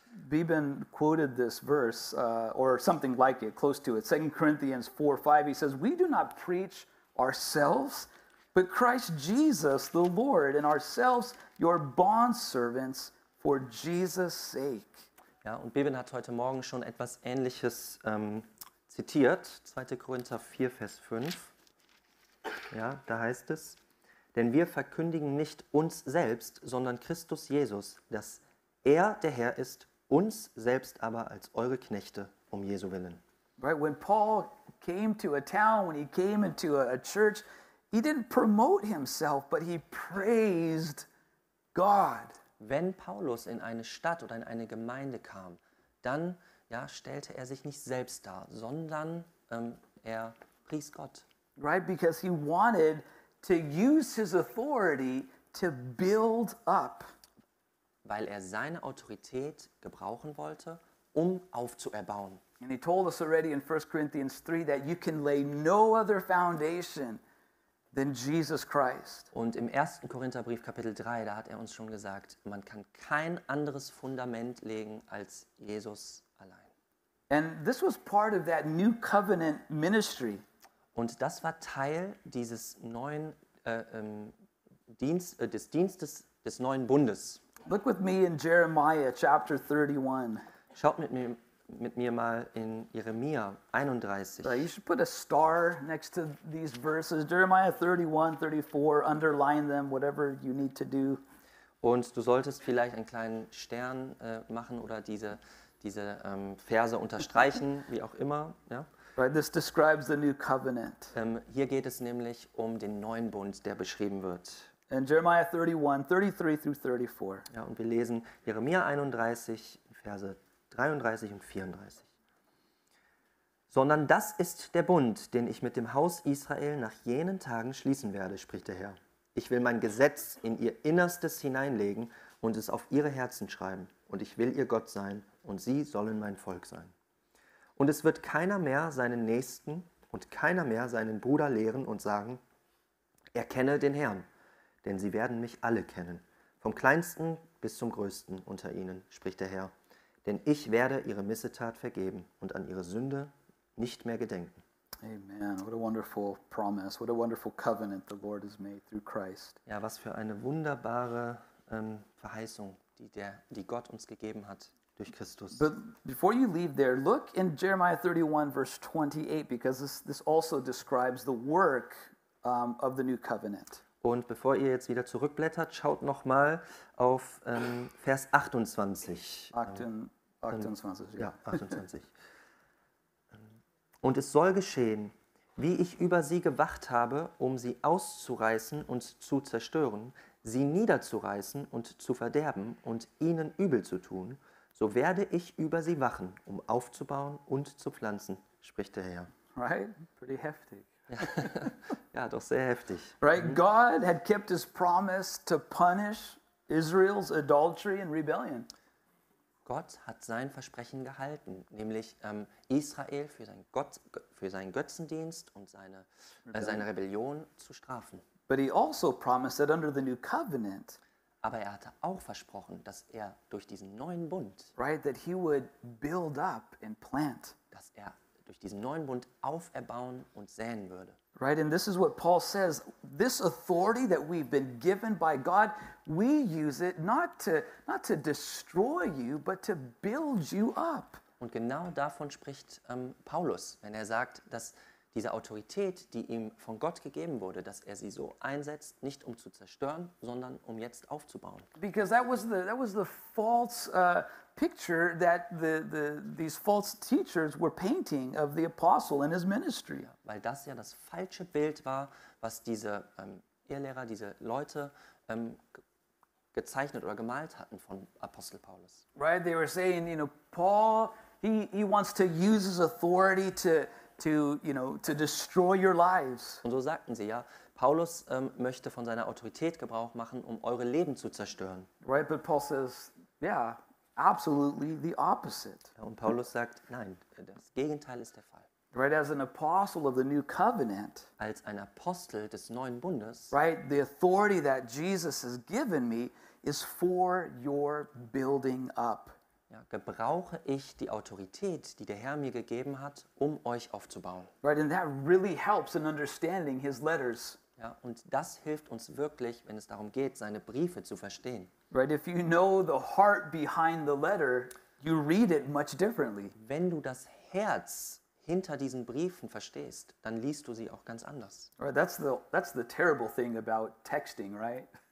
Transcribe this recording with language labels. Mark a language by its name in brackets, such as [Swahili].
[English] Beben quoted this verse, or something like it, close to it, 2 Corinthians 4, 5, he says, we do not preach ourselves, but Christ Jesus, the Lord, and ourselves, your bondservants, for Jesus' sake. [German] Ja, und Beben hat heute Morgen schon etwas Ähnliches zitiert, 2. Korinther 4, Vers 5. Ja, da heißt es, denn wir verkündigen nicht uns selbst, sondern Christus Jesus, dass er der Herr ist, uns selbst aber als eure Knechte um Jesu willen. [English] Right, when Paul came to a town, when he came into a church, he didn't promote himself, but he praised God. [German] Wenn Paulus in eine Stadt oder in eine Gemeinde kam, dann ja, stellte er sich nicht selbst dar, sondern er pries Gott. [English] Right, because he wanted to use his authority to build up. [German] Weil er seine Autorität gebrauchen wollte, um aufzuerbauen. [English] And he told us already in 1 Corinthians 3 that you can lay no other foundation than Jesus Christ. [German] Und im 1. Korintherbrief Kapitel 3, da hat er uns schon gesagt, man kann kein anderes Fundament legen als Jesus allein. [English] And this was part of that new covenant ministry. [German] Und das war Teil dieses neuen des Dienstes des neuen Bundes. [English] Look with me in Jeremiah chapter 31. [German] Schaut mit mir mal in Jeremia 31. [English] Right, you should put a star next to these verses. Jeremiah 31, 34, underline them, whatever you need to do. [German] Und du solltest vielleicht einen kleinen Stern machen oder diese Verse unterstreichen, wie auch immer, ja. [English] Right, this describes the new covenant. [German] Hier geht es nämlich um den neuen Bund, der beschrieben wird. [English] In Jeremiah 31, 33 through 34. [German] Ja, und wir lesen Jeremia 31, Verse 33 und 34. Sondern das ist der Bund, den ich mit dem Haus Israel nach jenen Tagen schließen werde, spricht der Herr. Ich will mein Gesetz in ihr Innerstes hineinlegen und es auf ihre Herzen schreiben. Und ich will ihr Gott sein und sie sollen mein Volk sein. Und es wird keiner mehr seinen Nächsten und keiner mehr seinen Bruder lehren und sagen, erkenne den Herrn, denn sie werden mich alle kennen, vom Kleinsten bis zum Größten unter ihnen, spricht der Herr. Denn ich werde ihre Missetat vergeben und an ihre Sünde nicht mehr gedenken. [English] Amen. What a wonderful promise. What a wonderful covenant the Lord has made through Christ. [German] Ja, was für eine wunderbare Verheißung, die Gott uns gegeben hat. Durch Christus. [English] But before you leave there, look in Jeremiah 31, verse 28, because this also describes the work of the new covenant. [German] Und bevor ihr jetzt wieder zurückblättert, schaut nochmal auf Vers 28. 28, ja. 28. Und es soll geschehen, wie ich über sie gewacht habe, um sie auszureißen und zu zerstören, sie niederzureißen und zu verderben und ihnen übel zu tun, so werde ich über sie wachen, um aufzubauen und zu pflanzen, spricht der Herr. [English] Right? Pretty heftig. [German] Ja, doch sehr heftig. [English] Right? God had kept his promise to punish Israel's adultery and rebellion. [German] Gott hat sein Versprechen gehalten, nämlich Israel für sein Gott, für seinen Götzendienst und seine Rebellion zu strafen. [English] But he also promised that under the new covenant, [German] aber er hatte auch versprochen, dass er durch diesen neuen Bund, [English] right, that he would build up and plant, [German] dass er durch diesen neuen Bund auferbauen und säen würde. [English] Right, and this is what Paul says, this authority that we've been given by God, we use it not to destroy you, but to build you up. [German] Und genau davon spricht Paulus, wenn er sagt, dass diese Autorität, die ihm von Gott gegeben wurde, dass er sie so einsetzt, nicht um zu zerstören, sondern um jetzt aufzubauen. [English] Because that was the false picture that these false teachers were painting of the apostle and his ministry. [German] Ja, weil das ja das falsche Bild war, was diese Irrlehrer, diese Leute gezeichnet oder gemalt hatten von Apostel Paulus. [English] Right, they were saying, you know, Paul, he wants to use his authority to destroy your lives. [German] Und so sagten sie ja, Paulus möchte von seiner Autorität Gebrauch machen, um eure Leben zu zerstören. [English] Right, but Paul says, yeah, absolutely the opposite. [German] Und Paulus sagt, nein, das Gegenteil ist der Fall. [English] Right, as an apostle of the new covenant, [German] als ein Apostel des neuen Bundes, [English] right, the authority that Jesus has given me is for your building up. [German] Ja, gebrauche ich die Autorität, die der Herr mir gegeben hat, um euch aufzubauen. [English] Right, and that really helps in understanding his letters. [German] Ja, und das hilft uns wirklich, wenn es darum geht, seine Briefe zu verstehen. [English] Right, if you know the heart behind the letter, you read it much differently. [German] Wenn du das Herz hinter diesen Briefen verstehst, dann liest du sie auch ganz anders. [English] Right, that's the terrible thing about texting, right?